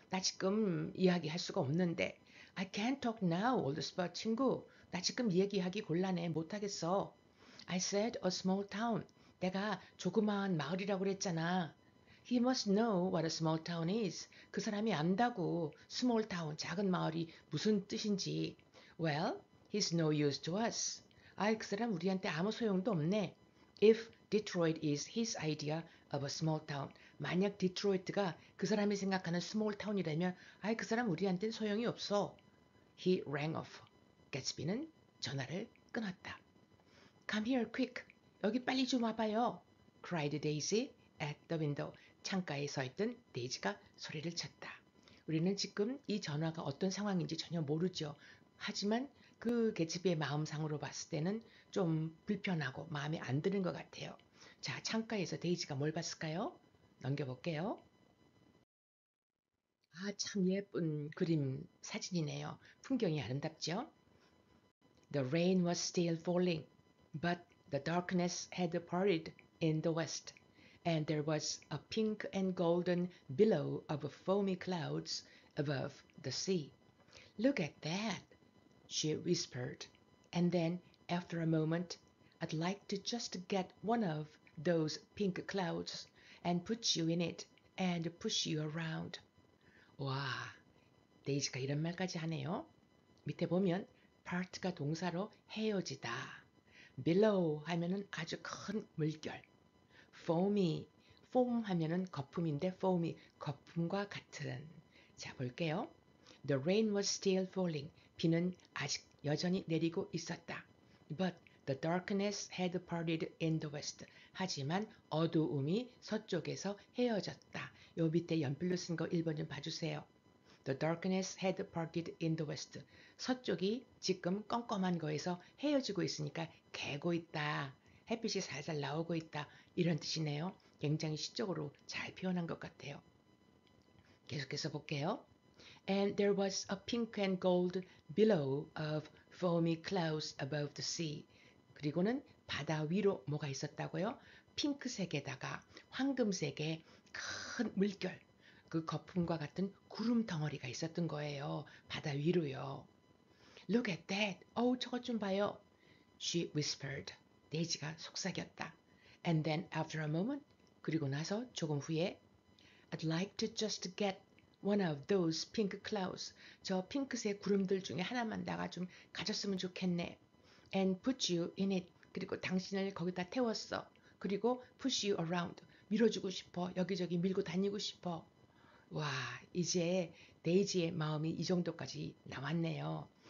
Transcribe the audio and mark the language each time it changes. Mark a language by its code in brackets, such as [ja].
[ko] 나 지금 이야기할 수가 없는데. [en] I can't talk now, old sport 친구. [ko] 나 지금 얘기하기 곤란해, 못하겠어. [en] I said a small town. [ko] 내가 조그마한 마을이라고 그랬잖아. [en] He must know what a small town is. [ko] 그 사람이 안다고 small town, 작은 마을이 무슨 뜻인지. [en] Well, he's no use to us. [ko] 아이, 그 사람 우리한테 아무 소용도 없네. [en] If Detroit is his idea of a small town. [ko] 만약 디트로이트가 그 사람이 생각하는 small town이라면 아이, 그 사람 우리한테는 소용이 없어. [en] He rang off. [ko] Gatsby는 전화를 끊었다. [en] Come here quick. [ko] 여기 빨리 좀 와봐요. [en] cried Daisy at the window. [ko] 창가에 서 있던 데이지가 소리를 쳤다. 우리는 지금 이 전화가 어떤 상황인지 전혀 모르죠. 하지만 그 개츠비의 마음상으로 봤을 때는 좀 불편하고 마음에 안 드는 것 같아요. 자, 창가에서 데이지가 뭘 봤을까요? 넘겨볼게요. 아, 참 예쁜 그림 사진이네요. 풍경이 아름답죠? [en] The rain was still falling. But the darkness had parted in the west, and there was a pink and golden billow of foamy clouds above the sea. Look at that, she whispered. And then, after a moment, I'd like to just get one of those pink clouds and put you in it and push you around. [ko] 와, 데이지가 이런 말까지 하네요. 밑에 보면 part가 동사로 헤어지다. Billow 하면은 아주 큰 물결. Foamy, foam 하면은 거품인데 foamy, 거품과 같은. 자, 볼게요. [en] The rain was still falling. [ko] 비는 아직 여전히 내리고 있었다. [en] But the darkness had parted in the west. [ko] 하지만 어두움이 서쪽에서 헤어졌다. 요 밑에 연필로 쓴 거 1번 좀 봐주세요. [en] The darkness had parted in the west. [ko] 서쪽이 지금 껌껌한 거에서 헤어지고 있으니까 개고 있다. 햇빛이 살살 나오고 있다. 이런 뜻이네요. 굉장히 시적으로 잘 표현한 것 같아요. 계속해서 볼게요. [en] And there was a pink and gold billow of foamy clouds above the sea. [ko] 그리고는 바다 위로 뭐가 있었다고요? 핑크색에다가 황금색의 큰 물결, 그 거품과 같은 구름 덩어리가 있었던 거예요. 바다 위로요. [en] Look at that. [ko] 어우, 저거 좀 봐요. [en] She whispered. [ko] 데이지가 속삭였다. [en] And then after a moment, [ko] 그리고 나서 조금 후에 [en] I'd like to just get one of those pink clouds. [ko] 저 핑크색 구름들 중에 하나만 내가 좀 가졌으면 좋겠네. [en] And put you in it. [ko] 그리고 당신을 거기다 태웠어. 그리고 [en] push you around. [ko] 밀어주고 싶어. 여기저기 밀고 다니고 싶어. 와, 이제 데이지의 마음이 이 정도까지 나왔네요.